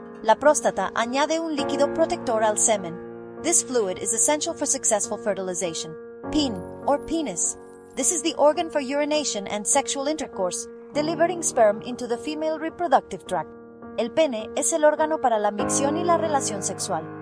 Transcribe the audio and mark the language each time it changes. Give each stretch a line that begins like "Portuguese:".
Spanish: La próstata añade un líquido protector al semen.
English: This fluid is essential for successful fertilization. Pene, or penis. This is the organ for urination and sexual intercourse, delivering sperm into the female reproductive tract.
Spanish: El pene es el órgano para la micción y la relación sexual.